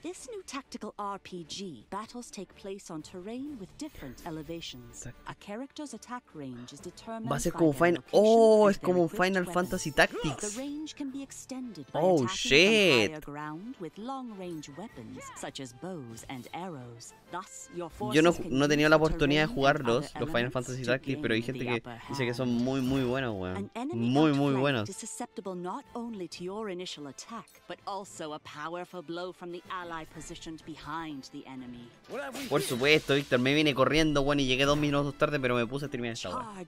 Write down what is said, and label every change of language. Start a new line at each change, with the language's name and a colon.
English: this new tactical RPG, battles take place on terrain with different elevations. A character's attack range is determined.
Spanish: Va a ser como es como Final Fantasy Tactics.
English: The range can be extended by attacking higher ground with long range weapons such as bows and arrows. Thus, your forces.
Spanish: Yo no he tenido la oportunidad de jugarlos, los Final Fantasy Tactics, pero hay gente que dice que son muy muy buenos, weón. Muy muy buenos.
English: Susceptible not only to your initial attack, but also a powerful blow from the ally positioned behind the enemy.
Spanish: Por supuesto, Víctor, me vine corriendo, weón, y llegué 2 minutos tarde, pero me puse a terminar esta hora.